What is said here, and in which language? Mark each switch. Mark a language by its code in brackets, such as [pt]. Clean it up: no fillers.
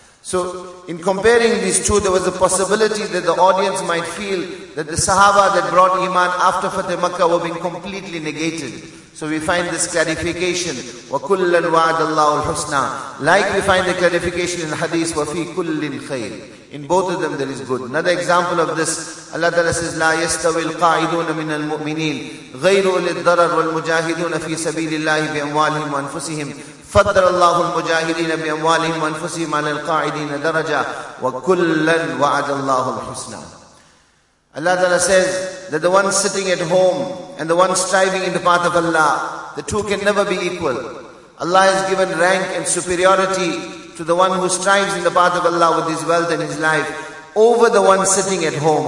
[en] So, in comparing these two, there was a possibility that the audience might feel that the Sahaba that brought Iman after Fateh Makkah were being completely negated. So we find this clarification, [ar] وَكُلًّا وَعَدَ اللَّهُ الْحُسْنَى. [en] Like we find the clarification in Hadith, [ar] وَفِي كُلٍ خَيْرٍ. [en] In both of them there is good. Another example of this, Allah Ta'ala says, [ar] لَا يَسْتَوِي الْقَاعِدُونَ مِنَ الْمُؤْمِنِينَ غَيْرُ أُولِي الضَّرَرِ وَالْمُجَاهِدُونَ فِي سَبِيلِ اللَّهِ بِأَمْوَالِهِمْ وَأَنفُسِهِمْ فَضَّلَ اللَّهُ الْمُجَاهِدِينَ بِأَمْوَالِهِمْ وَأَنفُسِهِمْ عَلَى الْقَاعِدِينَ دَرَجَةً وَكُلًّا وَعَدَ اللَّهُ الْحُسْنَى. [en] Allah Ta'ala says that the one sitting at home and the one striving in the path of Allah, the two can never be equal. Allah has given rank and superiority to the one who strives in the path of Allah with his wealth and his life over the one sitting at home.